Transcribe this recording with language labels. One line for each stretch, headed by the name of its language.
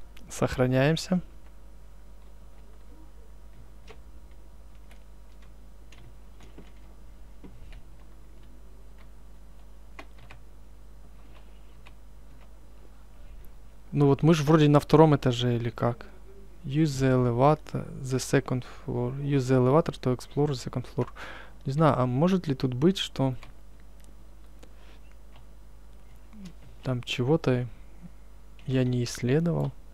Russian: Сохраняемся. Ну вот мы же вроде на втором этаже или как?
English: Use the elevator, the second floor. Use the elevator to explore the second floor.
Russian: Не знаю, а может ли тут быть, что там чего-то я не исследовал?